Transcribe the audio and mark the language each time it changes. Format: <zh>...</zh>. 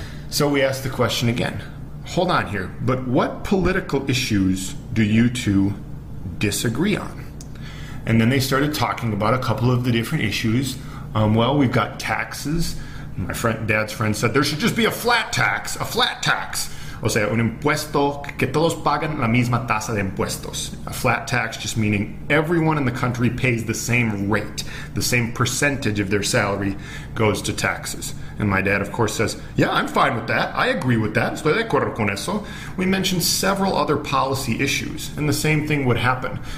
<en>So we asked the question again. Hold on here. But what political issues do you two disagree on? And then they started talking about a couple of the different issues. Well, we've got taxes. My friend, dad's friend said, there should just be a flat tax, a flat tax.</en> <es>O sea, un impuesto que todos pagan la misma tasa de impuestos.</es> <en>A flat tax just meaning everyone in the country pays the same rate, the same percentage of their salary goes to taxes. And my dad, of course, says, yeah, I'm fine with that. I agree with that.</en> <es>Estoy de acuerdo con eso.</es> <en>We mentioned several other policy issues, and the same thing would happen.</en>